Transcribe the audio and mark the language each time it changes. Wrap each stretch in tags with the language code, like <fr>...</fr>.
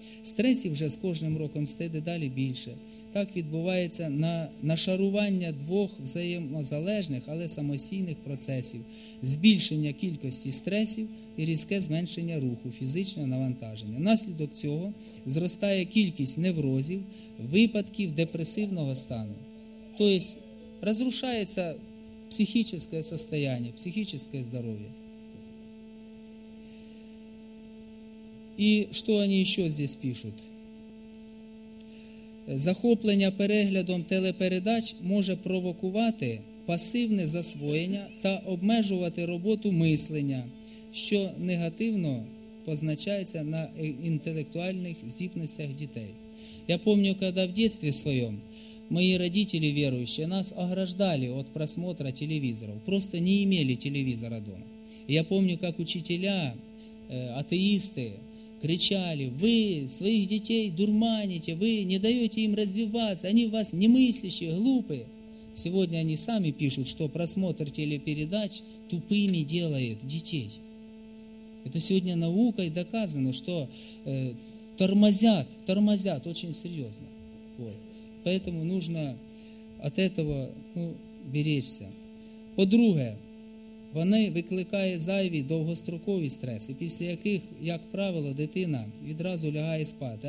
<uk>Стресів вже з кожним роком стає дедалі більше. Так відбувається нашарування двох взаємозалежних, але самостійних процесів. Збільшення кількості стресів і різке зменшення руху, фізичного навантаження. Наслідок цього зростає кількість неврозів, випадків депресивного стану.</uk> <ru>Тобто, разрушается психическое состояние, психическое здоровье. И что они еще здесь пишут?</ru> <uk>Захоплення переглядом телепередач може провокувати пасивне засвоєння та обмежувати роботу мислення, що негативно позначається на інтелектуальних здібностях дітей.</uk> <ru>Я помню, когда в детстве своем мои родители верующие нас ограждали от просмотра телевизоров. Просто не имели телевизора дома. Я помню, как учителя, атеисты, кричали: «Вы своих детей дурманите, вы не даете им развиваться, они у вас немыслящие, глупые». Сегодня они сами пишут, что просмотр телепередач тупыми делает детей. Это сегодня наукой доказано, что тормозят очень серьезно. Вот. Поэтому нужно от этого беречься.</ru> <uk>По-друге, вони викликають зайві довгострокові стреси, після яких, як правило, дитина відразу лягає спати.</uk>